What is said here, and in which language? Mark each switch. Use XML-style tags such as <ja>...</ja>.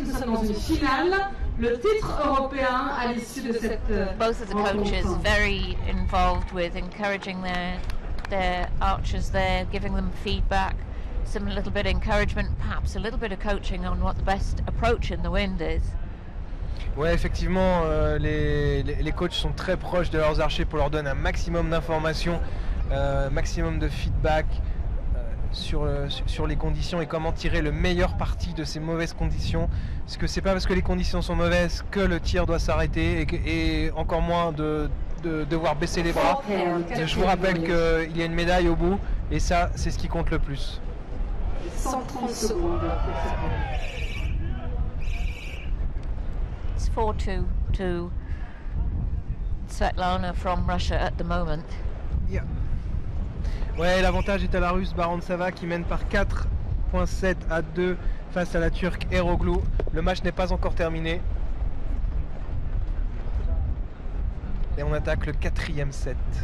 <fr>Nous sommes dans une finale. Le titre européen à l'issue de cette rencontre.</fr> <en>Both of the coaches very involved with encouraging their archers there, giving them feedback, some little bit of encouragement, perhaps a little bit of coaching on what the best approach in the wind is.</en> <fr>Ouais, effectivement, les coachs sont très proches de leurs archers pour leur donner un maximum d'informations. Maximum de feedback sur les conditions et comment tirer le meilleur parti de ces mauvaises conditions. Parce que c'est pas parce que les conditions sont mauvaises que le tir doit s'arrêter et encore moins de devoir baisser les bras. Et je vous rappelle qu'il y a une médaille au bout et ça, c'est ce qui compte le plus. 130 secondes.</fr> <en>It's 4-2 to Svetlana from Russia at the moment. Yeah.</en> <fr>Ouais, l'avantage est à la Russe Barantsava qui mène par 4.7-2 face à la Turque Eroglou. Le match n'est pas encore terminé. Et on attaque le quatrième set.</fr>